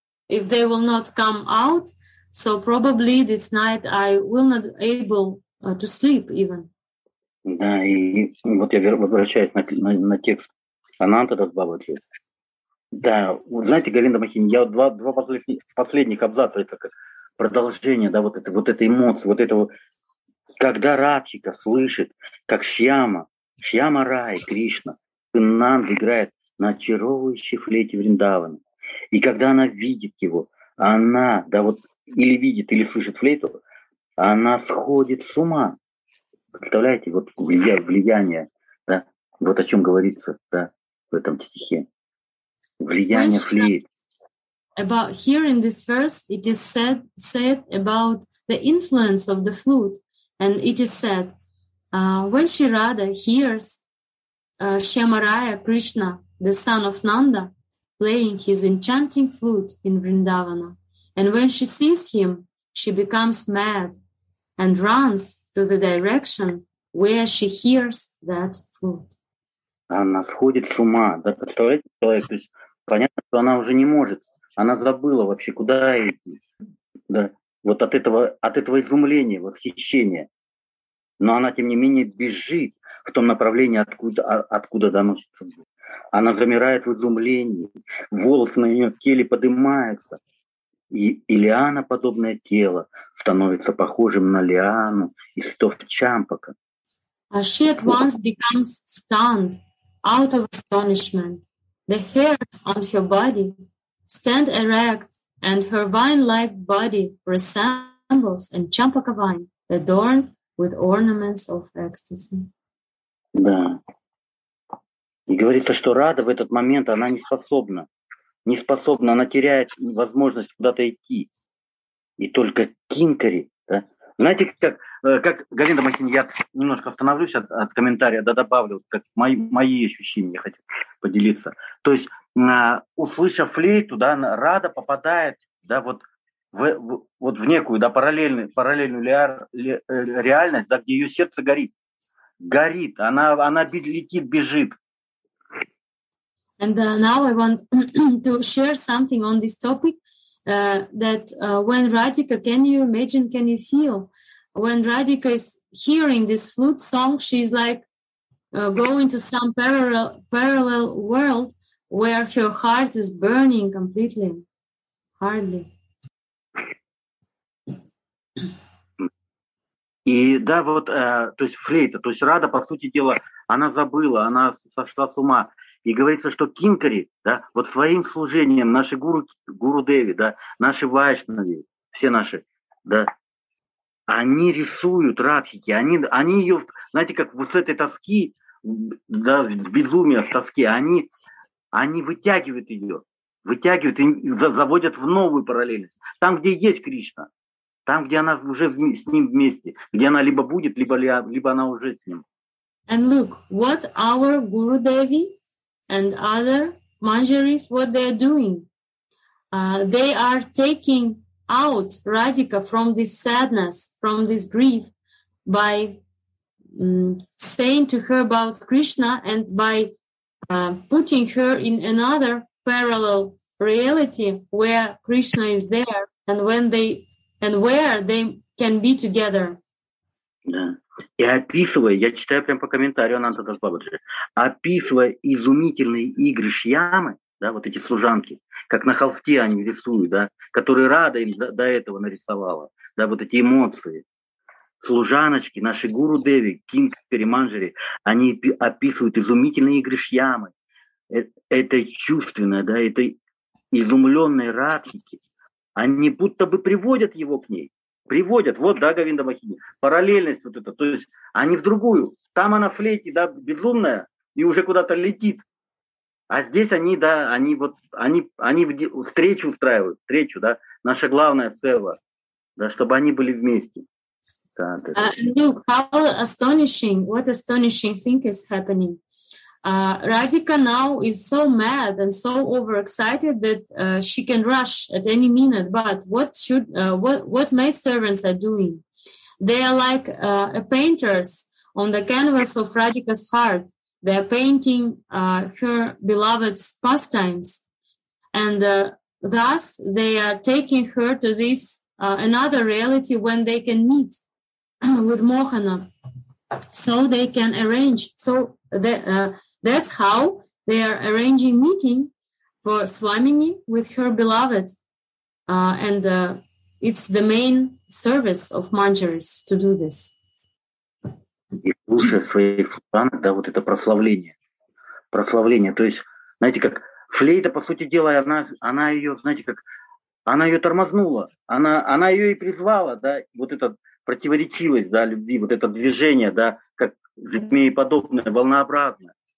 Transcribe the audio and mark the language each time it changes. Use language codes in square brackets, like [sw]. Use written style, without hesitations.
[en] if they will not come out, so probably this night I will not able to sleep even. [ru] Да, и вот я возвращаюсь на текст Ананта Дасбабаджи. Да, вот, знаете, Говинда Махини, я вот два последних абзаца, это как продолжение, да, вот этой эмоции, вот этого, когда Радхика слышит, как Шьяма Рай, Кришна, Нанда играет на очаровывающей флейте Вриндавана. И когда она видит его, она, да вот, или видит, или слышит флейту, она сходит с ума. Представляете, вот влияние, да, вот о чем говорится, да, в этом стихе. Влияние флейт. [en] About here in this verse, it is said about the influence of the flute, and it is said, when Shirada hears Shyamaraya Krishna, the son of Nanda, playing his enchanting flute in Vrindavana. And when she sees him, she becomes mad and runs to the direction where she hears that flute. [ru] Она сходит с ума. Да, представляете, человек, то есть понятно, что она уже не может. Она забыла вообще, куда идти. Да, вот от этого изумления, восхищения. Но она, тем не менее, бежит в том направлении, откуда доносится звук. Она замирает в изумлении, волосы на ее теле поднимаются, и лиана-подобное тело становится похожим на лиану из стоф Чампака. [en] She at once becomes stunned out of astonishment. The hairs on her body stand erect, and her vine-like body resembles a Champaka vine, adorned with ornaments of ecstasy. [ru] Да. И говорится, что Рада в этот момент, она не способна, она теряет возможность куда-то идти. И только Кинкари, да? Знаете, как Галинда Махин, я немножко остановлюсь от комментария, да добавлю, как мои ощущения хотят поделиться. То есть, услышав флейту, да, Рада попадает, да, вот, вот в некую, да, параллельную реальность, да, где ее сердце горит, она летит, бежит. [en] And now I want to share something on this topic that when Radhika, can you imagine, can you feel? When Radhika is hearing this flute song, she's like go into some parallel world where her heart is burning completely, hardly. [ru] И да, вот, то есть флейта, то есть Рада, по сути дела, она забыла, она сошла с ума. И говорится, что Кинкари, да, вот своим служением, наши гуру Деви, да, наши вайшнави, все наши, да, они рисуют Радхики, они ее, знаете, как вот с этой тоски, да, с безумия, с тоски, они вытягивают ее, вытягивают и заводят в новую параллельность. Там, где есть Кришна, там, где она уже с ним вместе, где она либо будет, либо она уже с ним. [en] And look, what our Guru Devi and other Manjaris, what they are doing? They are taking out Radhika from this sadness, from this grief, by saying to her about Krishna and by putting her in another parallel reality where Krishna is there and when they and where they can be together. [ru] И описывая, я читаю прямо по комментарию Ананта Дас Бабаджи, описывая изумительные игры Шьямы, да, вот эти служанки, как на холсте они рисуют, да, которые Рада им до этого нарисовала, да, вот эти эмоции. Служаночки, наши гуру Деви, Кинг Переманджери, они описывают изумительные игры Шьямы, это чувственное, да, это изумленные Радхики, они будто бы приводят его к ней. Приводят, вот, да, Говинда Махини, параллельность вот эта, то есть они в другую, там она флейте, да, безумная, и уже куда-то летит, а здесь они, да, они вот, они встречу устраивают, встречу, да, наша главная цела, да, чтобы они были вместе. [en] Look, how astonishing, what astonishing thing is happening. Radhika now is so mad and so overexcited that she can rush at any minute. But what should what maidservants are doing? They are like painters on the canvas of Radhika's heart. They are painting her beloved's pastimes, and thus they are taking her to this another reality when they can meet with Mohana, so they can arrange. So the that's how they are arranging meeting for Swamini with her beloved. And it's the main service of Manjaris to do this. [ru] И слушая своих служанок, да, вот это прославление. Прославление. То есть, знаете, как флейта, по сути дела, она ее, знаете, как она ее тормознула. Она ее и призвала, да, вот эта противоречивость, да, любви, вот это движение, да, как змееподобное, волнообразное.